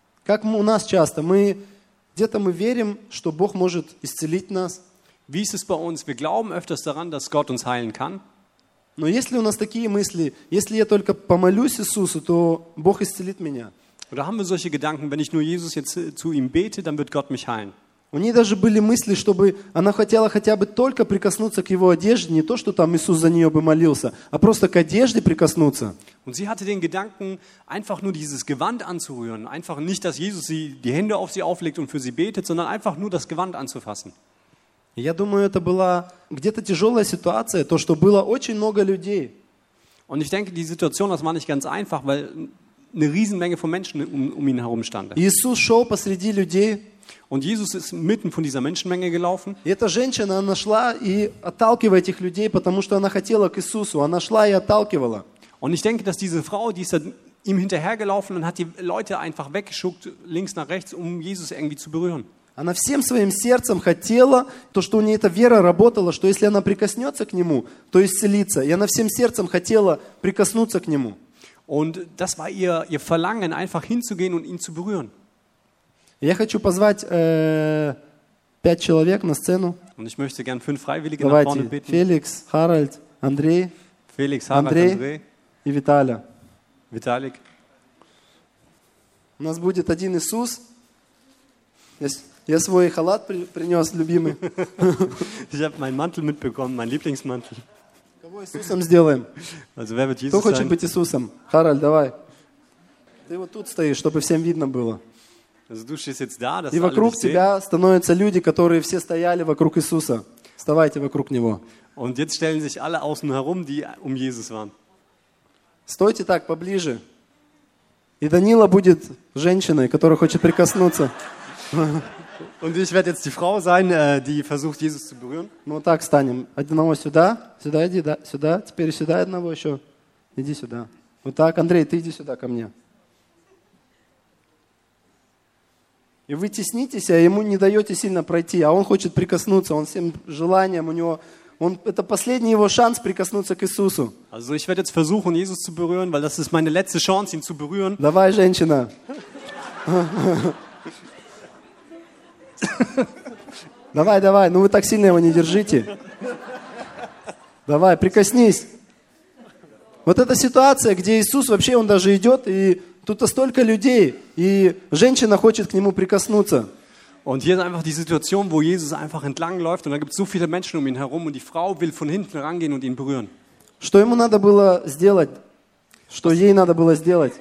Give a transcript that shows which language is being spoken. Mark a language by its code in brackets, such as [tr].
[ru] Как у нас часто мы где-то мы верим, что Бог может исцелить нас. [de] Wie ist es bei uns? Wir glauben öfters daran, dass Gott uns heilen kann. [ru] Но если у нас такие мысли, если я только помолюсь Иисусу, то Бог исцелит меня. [de] Oder haben wir solche Gedanken, wenn ich nur Jesus jetzt zu ihm bete, dann wird Gott mich heilen? [ru] У нее даже были мысли, чтобы она хотела хотя бы только прикоснуться к его одежде, не то, что там Иисус за нее бы молился, а просто к одежде прикоснуться. [de] Und sie hatte den Gedanken, einfach nur dieses Gewand anzurühren, einfach nicht, dass Jesus sie die Hände auf sie auflegt und für sie betet, sondern einfach nur das Gewand anzufassen. [ru] Я думаю, это была где-то тяжелая ситуация, то, что было очень много людей. [de] Und ich denke, die Situation, das war nicht ganz einfach, weil eine Riesenmenge von Menschen um ihn herum stand. [ru] Иисус шел посреди людей. [de] Und Jesus ist mitten von dieser Menschenmenge gelaufen. [ru] И эта женщина, она шла и отталкивая этих людей, потому что она хотела к Иисусу. Она шла и отталкивала. [de] Und ich denke, dass diese Frau, die ist da ihm hinterhergelaufen und hat die Leute einfach weggeschuckt, links nach rechts, um Jesus irgendwie zu berühren. [ru] Она всем своим сердцем хотела, то, что у нее эта вера работала, что если она прикоснется к нему, то исцелится. И она всем сердцем хотела прикоснуться к нему. [de] Und das war ihr Verlangen, einfach hinzugehen und ihn zu berühren. [ru] Я хочу позвать пять человек на сцену. [de] Und ich möchte gern fünf Freiwillige nach vorne bitten. [ru] Давайте, Феликс, Харальд, Андрей. Феликс, Харальд, Андрей. И Виталя. Виталик. У нас будет один Иисус. Я свой халат принес, любимый. [de] Ich habe meinen Mantel mitbekommen, mein Lieblingsmantel. [ru] Кого Иисусом сделаем? [de] Also, wer wird Jesus sein? [ru] Кто хочет быть Иисусом? Харальд, давай. Ты вот тут стоишь, чтобы всем видно было. [de] Also, du stehst jetzt da, dass [ru] и вокруг тебя становятся люди, которые все стояли вокруг Иисуса. Вставайте вокруг Него. [de] Und jetzt stellen sich alle außen herum, die um Jesus waren. [ru] Стойте так, поближе. И Данила будет женщиной, которая хочет прикоснуться. [de] Und ich werde jetzt die Frau sein, die versucht, Jesus zu berühren. [ru] Ну, так станем. Одного сюда, сюда иди, да, сюда. Теперь сюда одного еще. Иди сюда. Вот так, Андрей, ты иди сюда ко мне. И вы теснитесь, а ему не даете сильно пройти, а он хочет прикоснуться, он всем желанием у него... Он, это последний его шанс прикоснуться к Иисусу. [de] Also ich werde jetzt versuchen, Jesus zu berühren, weil das ist meine letzte Chance, ihn zu berühren. [ru] Давай, женщина. Давай, давай, ну вы так сильно его не держите. Давай, прикоснись. Вот эта ситуация, где Иисус вообще, он даже идет, и тут столько людей, и женщина хочет к нему прикоснуться. [de] Und hier ist einfach die Situation, wo Jesus einfach entlangläuft und da gibt es so viele Menschen um ihn herum und die Frau will von hinten rangehen und ihn berühren. [ru] Что ему надо было сделать? Что ей надо было сделать?